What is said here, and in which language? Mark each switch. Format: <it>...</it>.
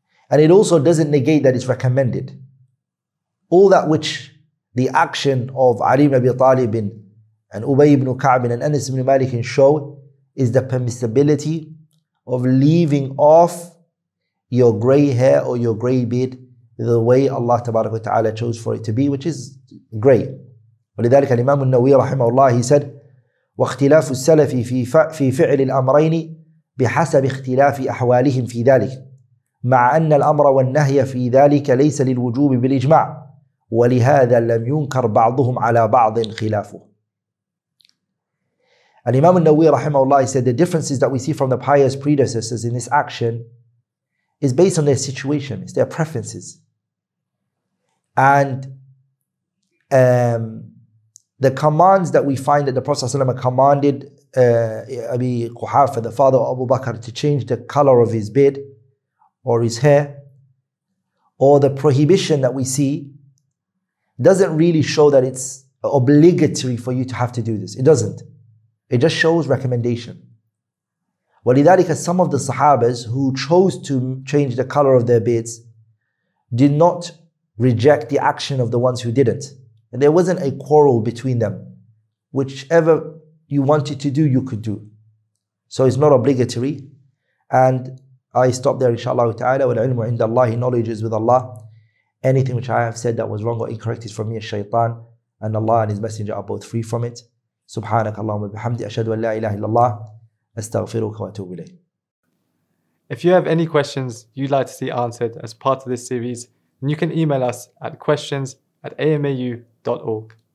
<en>And it also doesn't negate that it's recommended. All that which the action of Ali ibn Abi Talib and Ubay ibn Ka'b and Anas ibn Malik can show is the permissibility of leaving off your gray hair or your gray beard the way Allah Ta'ala chose for it to be, which is gray.</en> <ar>ولذلك الإمام النووي رحمه الله,</ar> <en>he said,</en> <ar>واختلاف السلف في فعل الأمرين بحسب اختلاف أحوالهم في ذلك مع أن الأمر والنهي في ذلك ليس للوجوب بالإجماع ولهذا لم ينكر بعضهم على بعض خلافه. الإمام النووي رحمه الله,</ar> <en>he said, the differences that we see from the pious predecessors in this action is based on their situation, it's their preferences. And the commands that we find that the Prophet ﷺ commanded Abi Quhafa, the father of Abu Bakr, to change the color of his beard or his hair, or the prohibition that we see, doesn't really show that it's obligatory for you to have to do this. It doesn't. It just shows recommendation. ولذلك, some of the Sahabas who chose to change the color of their beards did not reject the action of the ones who didn't. And there wasn't a quarrel between them. Whichever you wanted to do, you could do. So it's not obligatory. And I stop there, inshallah ta'ala.</en> <ar>وَالْعِلْمُ عِنْدَ اللَّهِ,</ar> <en>knowledge is with Allah. Anything which I have said that was wrong or incorrect is from me, shaytan. And Allah and His Messenger are both free from it.</en> <ar>سبحانك اللهم وبحمدك أشهد أن لا إله إلا الله أستغفرك وأتوب إليك.</ar> <en>If you have any questions you'd like to see answered as part of this series, then you can email us at questions@amau.org.</en>